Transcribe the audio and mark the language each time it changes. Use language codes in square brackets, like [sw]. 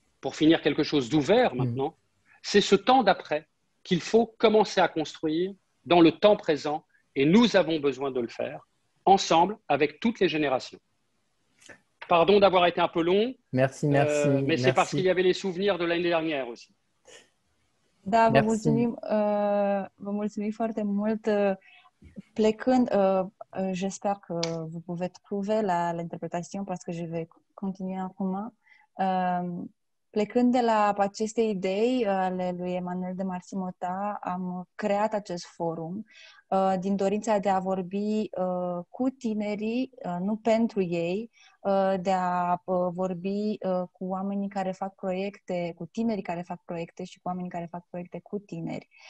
[fr] Pour finir quelque chose d'ouvert maintenant, c'est ce temps d'après qu'il faut commencer à construire dans le temps présent, et nous avons besoin de le faire, ensemble, avec toutes les générations. Pardon d'avoir été un peu long, merci. C'est parce qu'il y avait les souvenirs de l'année dernière aussi. [ro] Da, vă mulțumim foarte mult. [fr] Plecând, j'espère que vous pouvez trouver l'interprétation parce que je vais continuer acum. [ro] Plecând de la aceste idei ale lui Emmanuel de Marsimota, am creat acest forum din dorința de a vorbi cu tinerii, nu pentru ei, de a vorbi cu oamenii care fac proiecte, cu tinerii care fac proiecte și cu oamenii care fac proiecte cu tineri.